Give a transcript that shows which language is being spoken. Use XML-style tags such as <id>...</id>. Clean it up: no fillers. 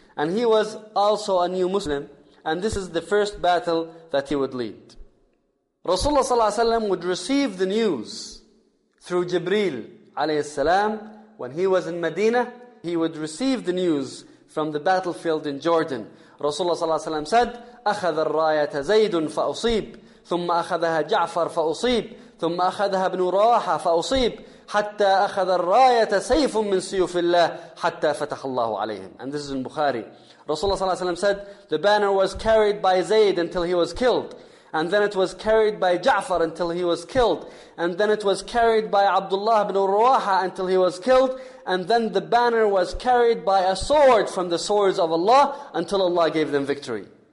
<en>And he was also a new Muslim. And this is the first battle that he would lead. Rasulullah ﷺ would receive the news through Jibreel alayhi salam. When he was in Medina, he would receive the news from the battlefield in Jordan.</en> <ar>Rasulullah ﷺ</ar> <en>said,</en> <ar>أَخَذَ الرَّايَةَ زَيْدٌ فَأُصِيبُ ثُمَّ أَخَذَهَا جَعْفَرُ فَأُصِيبُ ثُمَّ أَخَذَهَا ابْنُ رَوَاحَ فَأُصِيبُ حَتَّى أَخَذَ الرَّايَةَ سَيْفٌ مِّن سِيُوفِ اللَّهِ حَتَّى فَتَحَ اللَّهُ عَلَيْهِمْ.</ar> <en>And this is in Bukhari. Rasulullah ﷺ said, the banner was carried by Zayd until he was killed. And then it was carried by Ja'far until he was killed. And then it was carried by Abdullah ibn Rawaha until he was killed. And then the banner was carried by a sword from the swords of Allah until Allah gave them victory.</en>